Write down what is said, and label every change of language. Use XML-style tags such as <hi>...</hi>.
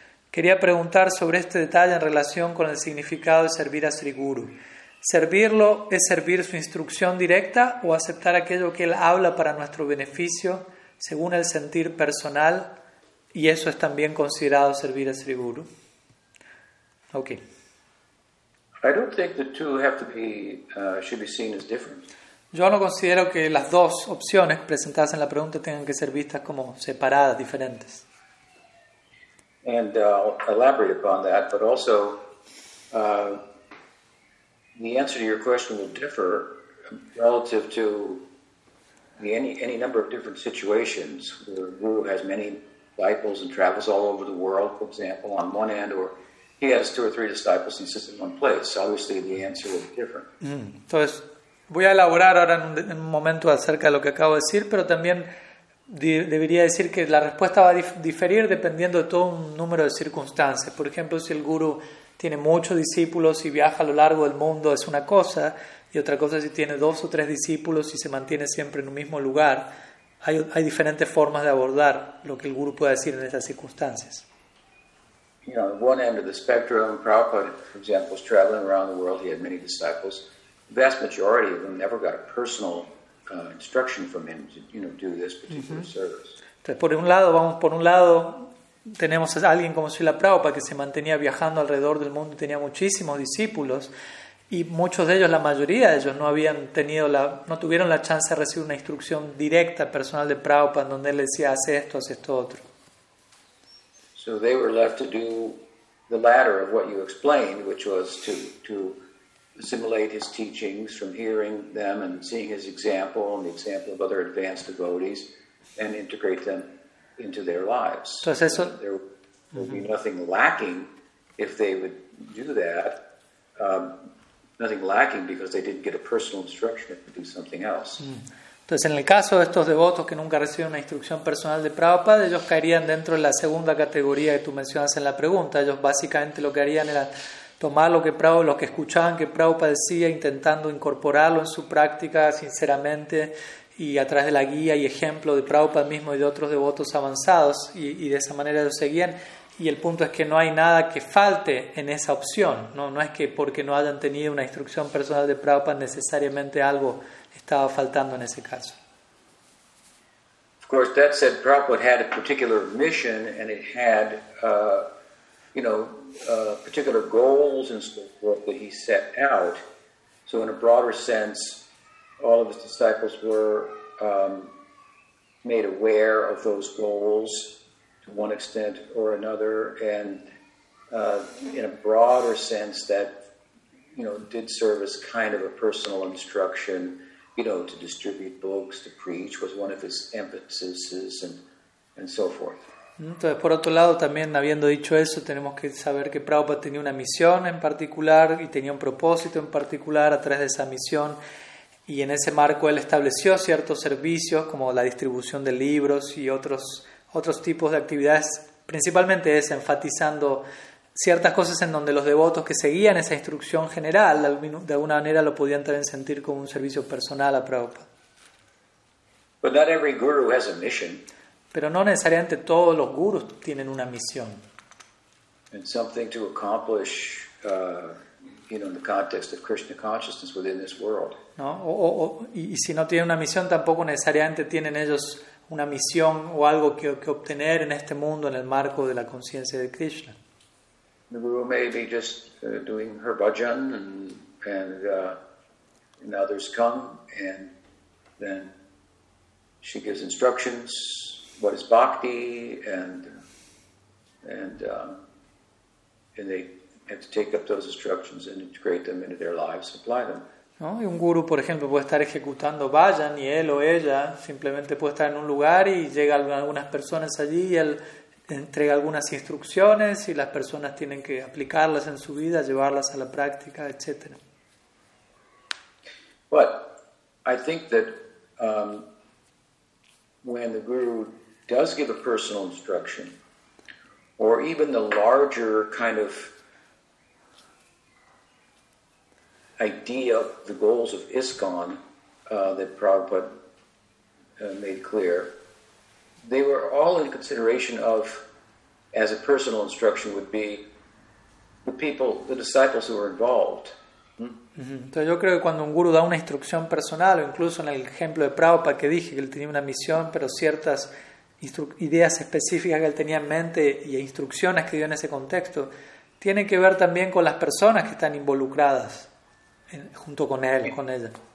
<es>Quería preguntar sobre este detalle en relación con el significado de servir a Sri Guru. ¿Servirlo es servir su instrucción directa o aceptar aquello que él habla para nuestro beneficio según el sentir personal, y eso es también considerado servir a Sri Guru?</es> <en>Ok. I don't think the two have to be should be seen as different.</en> <es>Yo no considero que las dos opciones presentadas en la pregunta tengan que ser vistas como separadas, diferentes.</es> <en>And I'll elaborate upon that, but also the answer to your question will differ relative to any number of different situations where Guru has many disciples and travels all over the world, for example, on one end, or he has two or three disciples and sits in one place. Obviously, the answer will be different.</en> <es>Entonces, voy a elaborar ahora en un momento acerca de lo que acabo de decir, pero también debería decir que la respuesta va a diferir dependiendo de todo un número de circunstancias. Por ejemplo, si el guru tiene muchos discípulos y viaja a lo largo del mundo, es una cosa, y otra cosa si tiene dos o tres discípulos y se mantiene siempre en un mismo lugar. Hay diferentes formas de abordar lo que el guru puede decir en esas circunstancias.</es> <en>You know, one end of the spectrum, Prabhupada, for example, was traveling around the world. He had many disciples. The vast majority of them never got a personal instruction from him to, you know, do this particular service.</en> <es>Entonces, por un lado, tenemos a alguien como Srila Prabhupada que se mantenía viajando alrededor del mundo y tenía muchísimos discípulos, y muchos de ellos, la mayoría de ellos, no tuvieron la chance de recibir una instrucción directa personal de Prabhupada en donde él decía, haz esto otro.</es> <en>So they were left to do the latter of what you explained, which was to assimilate his teachings from hearing them and seeing his example and the example of other advanced devotees and integrate them into their lives.</en> <es>Entonces eso,</es> <en>there would be nothing lacking if they would do that. Nothing lacking because they didn't get a personal instruction to do something else.</en> <es>Entonces, en el caso de estos devotos que nunca reciben una instrucción personal de Prabhupada, ellos caerían dentro de la segunda categoría que tú mencionas en la pregunta. Ellos básicamente lo que harían era tomar lo que escuchaban que Prabhupada decía, intentando incorporarlo en su práctica sinceramente y a través de la guía y ejemplo de Prabhupada mismo y de otros devotos avanzados, y de esa manera ellos seguían. Y el punto es que no hay nada que falte en esa opción. No es que porque no hayan tenido una instrucción personal de Prabhupada necesariamente algo estaba faltando en ese caso.</es> <en>Of course, that said, Prabhupada had a particular mission and it had, particular goals and so forth that he set out. So in a broader sense, all of his disciples were made aware of those goals to one extent or another. And in a broader sense, that, you know, did serve as kind of a personal instruction. You know, to distribute books, to preach was one of his emphases, and so forth.</en> <es>Entonces, por otro lado, también habiendo dicho eso, tenemos que saber que Prabhupada tenía una misión en particular y tenía un propósito en particular a través de esa misión, y en ese marco él estableció ciertos servicios como la distribución de libros y otros tipos de actividades, principalmente es enfatizando ciertas cosas en donde los devotos que seguían esa instrucción general de alguna manera lo podían también sentir como un servicio personal a Prabhupada.</es> <en>But not every guru has a mission.</en> <es>Pero no necesariamente todos los gurus tienen una misión.</es> <en>And something to accomplish, in the context of Krishna consciousness within this world.</en> <es>¿No? Y si no tienen una misión, tampoco necesariamente tienen ellos una misión o algo que obtener en este mundo en el marco de la conciencia de Krishna.</es> <en>The guru may be just doing her bhajan, and others come, and then she gives instructions. What is bhakti, and they have to take up those instructions and integrate them into their lives, apply them.</en> <es>¿No? Y un guru, por ejemplo, puede estar ejecutando bhajan y él o ella simplemente puede estar en un lugar y llegan algunas personas allí y él entrega algunas instrucciones y las personas tienen que aplicarlas en su vida, llevarlas a la práctica, etc.</es> <en>But I think that when the guru does give a personal instruction, or even the larger kind of idea of the goals of ISKCON that Prabhupada made clear, they were all in consideration of, as a personal instruction would be, the people, the disciples who were involved.</en> <es>Entonces yo creo que cuando un guru da una instrucción personal, o incluso en el ejemplo de Prabhupada que dije que él tenía una misión, pero ciertas ideas específicas que él tenía en mente y instrucciones que dio en ese contexto, tiene que ver también con las personas que están involucradas junto con él, con ella.</es>